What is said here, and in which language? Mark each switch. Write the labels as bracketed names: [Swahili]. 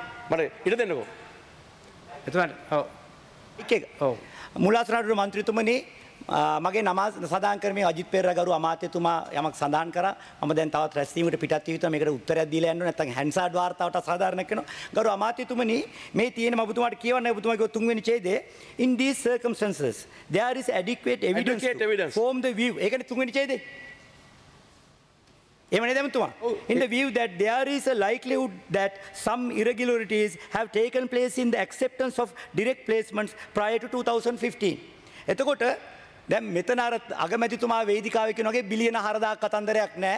[Sinhala] මට ඉඩ දෙන්නකෝ. එතුමන් ඔව් එක ඔව් මුලාසරාඩුර මන්ත්‍රීතුමනි මගේ නම සදාන් කරමේ අජිත් පෙරේරා ගරු අමාත්‍යතුමා යමක් සදාන් කරා. මම දැන් තවත් රැස්වීමට පිටත් වී තියෙනවා. මේකට උත්තරයක් දීලා යන්න නැත්නම් හැන්සාඩ් වார்த்தාවට සාධාරණ කරනවා. ගරු අමාත්‍යතුමනි මේ තියෙන මම ඔබතුමාට කියවන්න ඔබතුමාගේ තුන්වෙනි ඡේදයේ [English] in these circumstances there is adequate evidence to form the view. [Sinhala] ඒකනේ තුන්වෙනි ඡේදයේ. එහෙම නේද ඔබතුමා? [English] In the view that there is a likelihood that some irregularities have taken place in the acceptance of direct placements prior to 2015. [Sinhala] එතකොට දැන් මෙතන අර අගමැතිතුමා වේදිකාවේ කියන වගේ බිලියන 4000ක් කතන්දරයක් නෑ.